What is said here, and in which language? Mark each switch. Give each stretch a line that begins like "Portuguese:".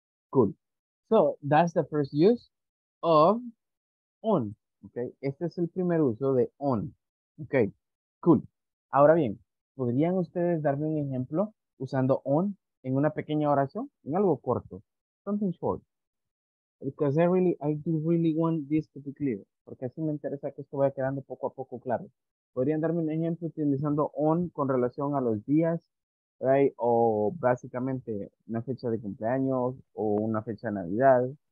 English: Cool. So, that's the first use of on.
Spanish: Okay, este es el primer uso de on.
English: Okay, cool.
Spanish: Ahora bien, ¿podrían ustedes darme un ejemplo usando on en una pequeña oración? En algo corto.
English: Something short. Because I really want this to be clear.
Spanish: Porque así me interesa que esto vaya quedando poco a poco claro. ¿Podrían darme un ejemplo utilizando on con relación a los días?
English: Right?
Spanish: O básicamente una fecha de cumpleaños o una fecha de Navidad.